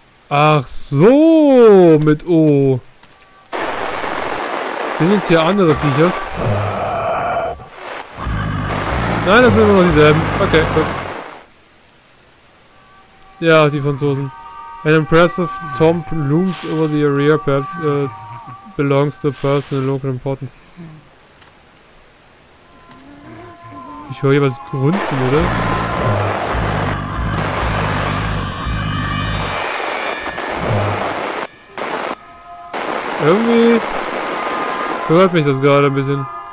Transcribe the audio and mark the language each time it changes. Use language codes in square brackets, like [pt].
[de] Ach so, mit O. Sind jetzt hier andere Viechers? Nein, das sind immer noch dieselben. Okay, gut. Ja, die Franzosen. [en] An impressive tomb looms over the area, perhaps belongs to a person of local importance. [de] Ich höre hier was grunzen, oder? Irgendwie hört mich das gerade ein bisschen.